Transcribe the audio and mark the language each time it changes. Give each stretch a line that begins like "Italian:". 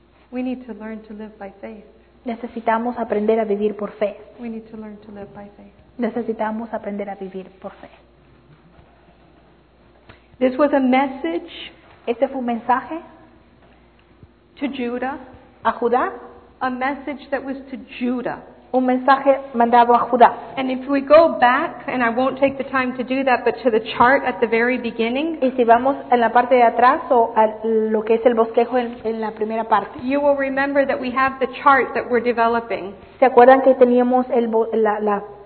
English: We need to learn to live by faith.
Spanish: Necesitamos aprender a vivir por fe.
English: We need to learn to live by faith.
Spanish: Necesitamos aprender a vivir por fe.
English: This was a message.
Spanish: Este fue un mensaje.
English: To Judah.
Spanish: A Judá.
English: A message that was to Judah.
Spanish: Un mensaje mandado a Judá.
English: And if we go back, and I won't take the time to do that, but to the chart at the very beginning.
Spanish: Y si vamos en la parte de atrás o a lo que es el bosquejo en la primera parte.
English: You will remember that we have the chart that we're developing.
Spanish: ¿Se acuerdan que teníamos la